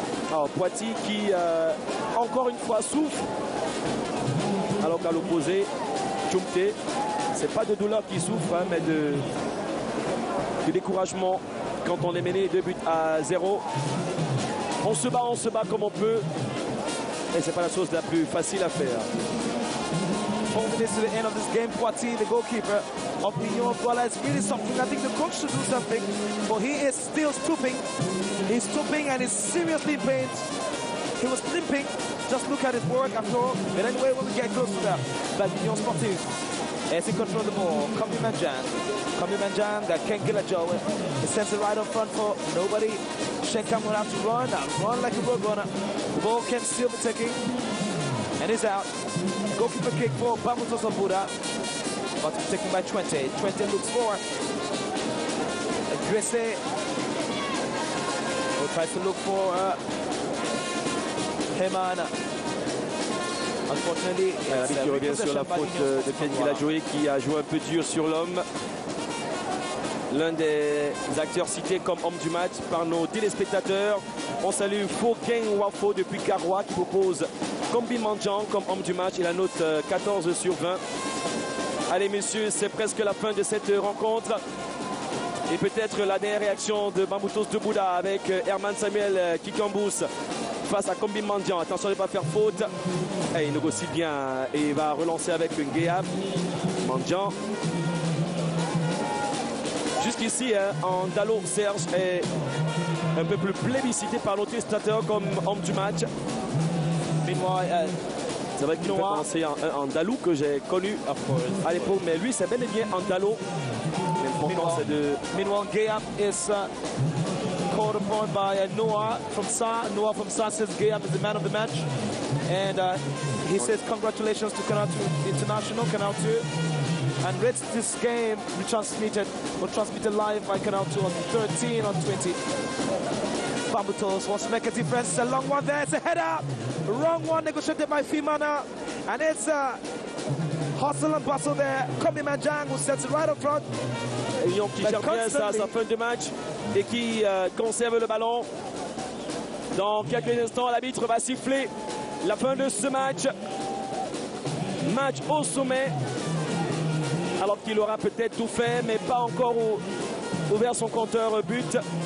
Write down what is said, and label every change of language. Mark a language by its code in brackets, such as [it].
[fr] Alors Poiti qui encore une fois souffre. Alors qu'à l'opposé, Tchoumte, c'est pas de douleur qu'il souffre, hein, mais de découragement quand on est mené 2-0. On se bat comme on peut. Et c'est pas la chose la plus facile à faire. [en] 4 minutes to the end of this game. Poiti, the goalkeeper of Union of Douala, is really suffering. I think the coach should do something, but he is still stooping. He's stooping and he's seriously pained. He was limping. Just look at his work after all. But anyway, when we get close to that, but Union Sportive, as he controls the ball, Kombi Manjan, that can't kill a job. He sends it right up front for nobody. Schenkamp will have to run like a road runner. The ball can still be taking, and it's out. Goalkeeper kick for Bambutos of Buda, but taken by 20. 20 looks for Grisse. We'll try to look for Hemana. Unfortunately, [fr] qui revient sur la faute de Ken Villajoué, qui a joué un peu dur sur l'homme. L'un des acteurs cités comme homme du match par nos téléspectateurs. On salue Fouken Wafo depuis Karoua qui propose Kombi Manjan comme homme du match. Il a note 14 sur 20. Allez messieurs, c'est presque la fin de cette rencontre. Et peut-être la dernière réaction de Bambutos de Bouda avec Herman Samuel Kikambous face à Kombi Manjan. Attention de ne pas faire faute. Et il négocie bien et il va relancer avec Ngueyab. Manjan. Jusqu'ici, hein, en Dalo, Serge est un peu plus plébiscité par notre stateur comme homme du match. C'est vrai qu'il me fait penser en Dalou que j'ai connu à l'époque, mais lui c'est bel et bien en Dalou. L'important c'est de... [en] Meanwhile, Gayam is called upon by Noah from Sa. Noah from Sa says Gayam is the man of the match. And he says congratulations to Canal 2 International, Canal 2. And rates this game retransmitted or transmitted live by Canal 2 on 13 or 20. Bambutos wants to make a difference. A long one there. It's a header. Wrong one negotiated by Fimana. And it's a hustle and bustle there. Kobe Manjang who sets it right up front. [fr] Lyon qui gère bien sa fin de match et qui conserve le ballon. Dans quelques instants, l'arbitre va siffler la fin de ce match. Match au sommet. Alors qu'il aura peut-être tout fait, mais pas encore ouvert son compteur but.